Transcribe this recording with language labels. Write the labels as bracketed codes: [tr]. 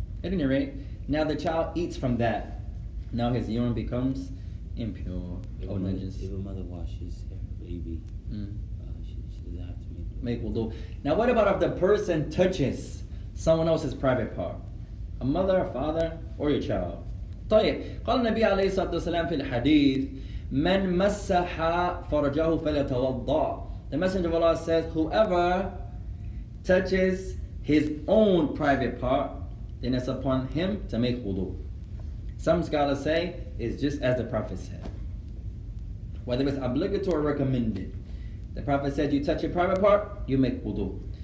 [en] At any rate, now the child eats from that. Now his urine becomes impure. If a mother washes her baby, she doesn't have to make wudu. Now what about if the person touches someone else's private part? A mother, a father, or your child? [ar] طيب قال النبي عليه الصلاة والسلام في الحديث من مسح فرجه فليتوضا. [en] The Messenger of Allah says, whoever touches his own private part, then it's upon him to make wudu. Some scholars say it's just as the Prophet said. Whether it's obligatory or recommended, the Prophet said you touch your private part, you make wudu.